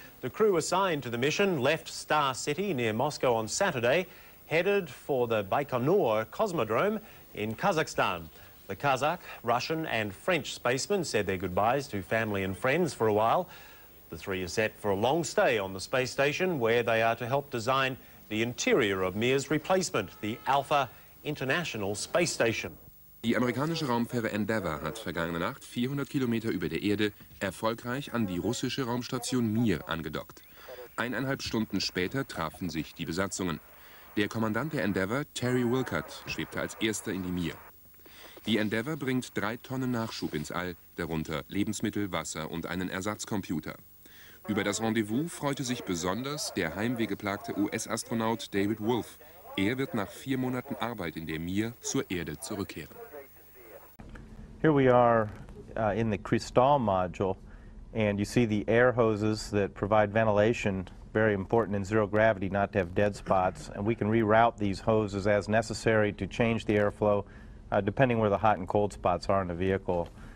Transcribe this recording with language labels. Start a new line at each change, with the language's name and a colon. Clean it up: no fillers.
English: The crew assigned to the mission left Star City near Moscow on Saturday, headed for the Baikonur Cosmodrome in Kazakhstan. The Kazakh, Russian and French spacemen said their goodbyes to family and friends for a while. The three are set for a long stay on the space station, where they are to help design the interior of Mir's replacement, the Alpha International Space Station.
German: Die amerikanische Raumfähre Endeavour hat vergangene Nacht 400 Kilometer über der Erde erfolgreich an die russische Raumstation Mir angedockt. Eineinhalb Stunden später trafen sich die Besatzungen. Der Kommandant der Endeavour, Terry Wilcutt, schwebte als erster in die Mir. Die Endeavour bringt 3 Tonnen Nachschub ins All, darunter Lebensmittel, Wasser und einen Ersatzcomputer. Über das Rendezvous freute sich besonders der heimwehgeplagte US-Astronaut David Wolf. Er wird nach 4 Monaten Arbeit in der Mir zur Erde zurückkehren.
English: Here we are in the Kristall module, and you see the air hoses that provide ventilation, very important in zero gravity not to have dead spots, and we can reroute these hoses as necessary to change the airflow depending where the hot and cold spots are in the vehicle.